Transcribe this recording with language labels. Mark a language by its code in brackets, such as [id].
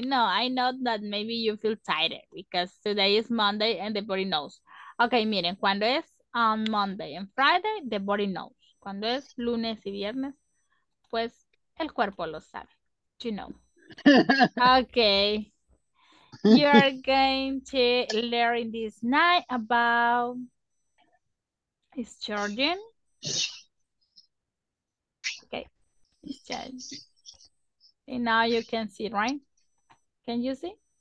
[en] No, I know that maybe you feel tired because today is Monday and the body knows. Okay, miren, cuando es Monday and Friday, the body knows. [es] Cuando es lunes y viernes, pues el cuerpo lo sabe. [en] You know. Okay. You are going to learn this night about is charging. Okay. It's charging. And now you can see, right? Can you see?